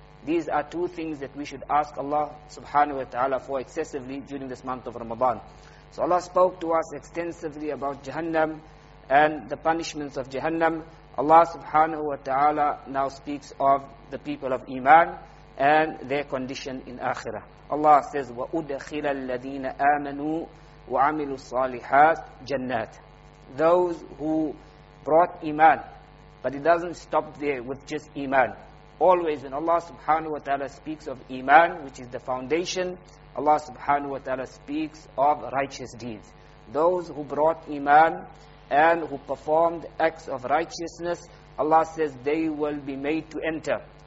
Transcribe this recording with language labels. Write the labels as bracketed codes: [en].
[en] These are two things that we should ask Allah subhanahu wa ta'ala for excessively during this month of Ramadan. So Allah spoke to us extensively about Jahannam and the punishments of Jahannam. Allah subhanahu wa ta'ala now speaks of the people of Iman and their condition in Akhirah. Allah says, [ar] وَأُدَخِلَ الَّذِينَ آمَنُوا وَعَمِلُوا الصَّالِحَاتِ جَنَّاتٍ. [en] Those who brought Iman, but it doesn't stop there with just Iman. Always when Allah subhanahu wa ta'ala speaks of Iman, which is the foundation, Allah subhanahu wa ta'ala speaks of righteous deeds. Those who brought Iman and who performed acts of righteousness, Allah says they will be made to enter.